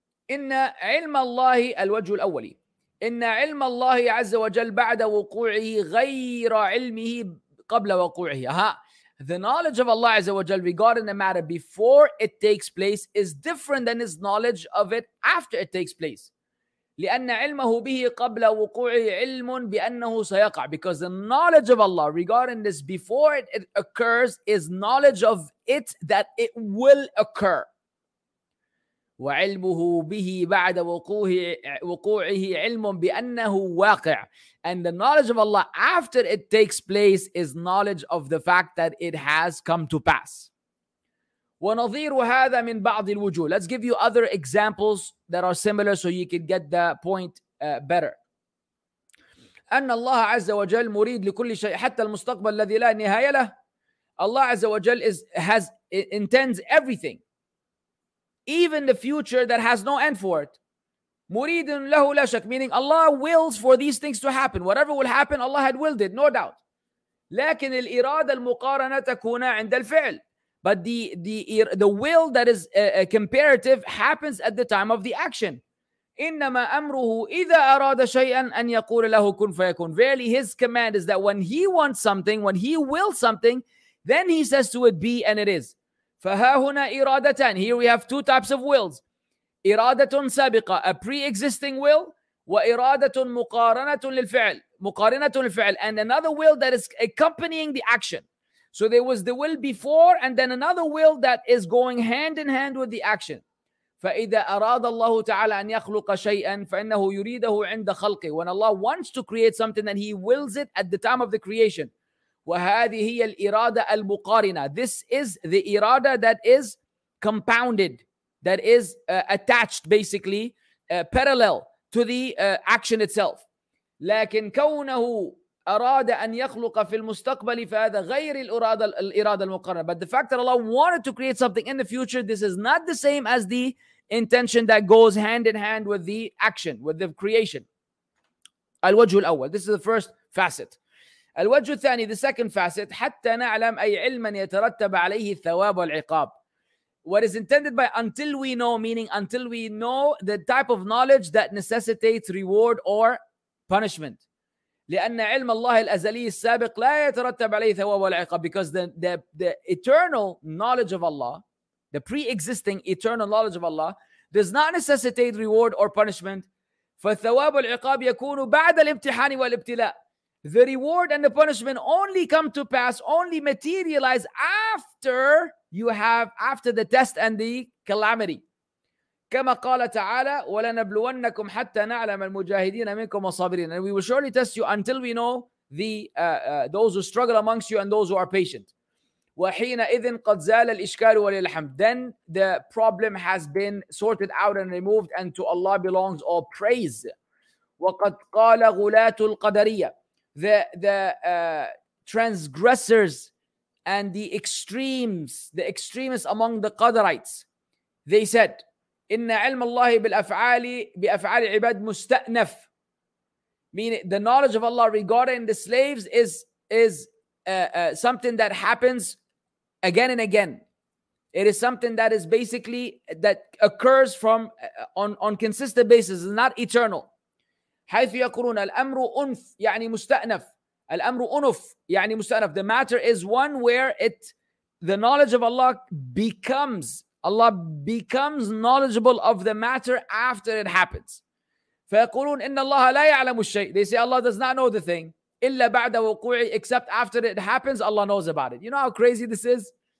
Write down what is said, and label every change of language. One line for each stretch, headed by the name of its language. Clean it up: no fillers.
Arabic: إن علم الله الوجه الأولي. إن علم الله عز وجل بعد وقوعه غير علمه قبل وقوعه.
English: Aha. The knowledge of Allah عز وجل regarding a matter before it takes place is different than His knowledge of it after it takes place.
Arabic: لأن علمه به قبل وقوعه علم بأنه سيقع.
English: Because the knowledge of Allah regarding this before it occurs is knowledge of it that it will occur.
Arabic: وعلمه به بعد وقوعه علم بأنه واقع.
English: And the knowledge of Allah after it takes place is knowledge of the fact that it has come to pass.
Arabic: ونظير هذا من بعض الوجوه.
English: Let's give you other examples that are similar so you can get the point better.
Arabic: أن الله عز وجل مريد لكل شيء حتى المستقبل الذي لا نهاية له.
English: الله عز وجل intends everything, even the future that has no end for it.
Arabic: مريد له لا شك,
English: meaning Allah wills for these things to happen. Whatever will happen, Allah had willed it, no doubt.
Arabic: لكن الإرادة المقارنة تكون عند الفعل.
English: But the will that is comparative happens at the time of the action.
Arabic: إنما أمره إذا أراد شيئا أن يقول له كن فيكون.
English: Verily, his command is that when he wants something, when he wills something, then he says to it, be and it is.
Arabic: فها هنا إرادتان.
English: Here we have two types of wills.
Arabic: إرادة سابقة,
English: a pre-existing will,
Arabic: وإرادة مقارنة للفعل. مقارنة للفعل.
English: And another will that is accompanying the action. So there was the will before, and then another will that is going hand in hand with the action.
Arabic: فَإِذَا أَرَادَ اللَّهُ تَعَالَى أَنْ يَخْلُقَ شَيْئًا فَإِنَّهُ يُرِيدَهُ عِنْدَ خَلْقِهِ.
English: When Allah wants to create something, then He wills it at the time of the creation.
Arabic: وَهَذِهِ هِيَ الْإِرَادَ الْمُقَارِنَةِ.
English: This is the irada that is compounded, that is attached basically, parallel to the action itself.
Arabic: لَكِنْ كَوْنَهُ أَرَادَ أَنْ يَخْلُقَ فِي الْمُسْتَقْبَلِ فَهَذَا غَيْرِ الْإِرَادَ الْمُقَرَّنَةِ.
English: But the fact that Allah wanted to create something in the future, this is not the same as the intention that goes hand in hand with the action, with the creation.
Arabic: الوجه الأول.
English: This is the first facet.
Arabic: الوجه الثاني,
English: the second facet.
Arabic: حَتَّى نَعْلَمْ أَيْ عِلْمًا يَتَرَتَّبَ عَلَيْهِ الثَّوَابُ وَالْعِقَابُ.
English: What is intended by until we know, meaning until we know the type of knowledge that necessitates reward or punishment.
Arabic: لأن علم الله الأزلي السابق لا يترتب عليه ثواب ولا عقاب.
English: Because the eternal knowledge of Allah, the pre-existing eternal knowledge of Allah, does not necessitate reward or punishment.
Arabic: فالثواب والعقاب يكون بعد الامتحان والابتلاء.
English: The reward and the punishment only come to pass, only materialize after you have, after the test and the calamity.
Arabic: كما قال تعالى ولنبلونكم حتى نعلم المجاهدين منكم والصابرين.
English: And we will surely test you until we know the those who struggle amongst you and those who are patient.
Arabic: وحينئذ قد زال الإشكال ولله الحمد.
English: Then the problem has been sorted out and removed, and to Allah belongs all praise.
Arabic: وقد قال غلاة القدرية,
English: the transgressors and the extremes, the extremists among the Qadarites, they said
Arabic: إن علم الله بالأفعال بأفعال عباد مستأنف.
English: Meaning the knowledge of Allah regarding the slaves is something that happens again and again. It is something that is basically that occurs from on consistent basis, not eternal.
Arabic: حيث يقولون الأمر أنف يعني مستأنف. الأمر أنف يعني مستأنف.
English: The matter is one where it the knowledge of Allah becomes. Allah becomes knowledgeable of the matter after it happens.
Arabic: فيقولون إن الله لا يعلم الشيء.
English: They say Allah does not know the thing.
Arabic: إلا بعد وقوعه.
English: Except after it happens, Allah knows about it. You know how crazy this is?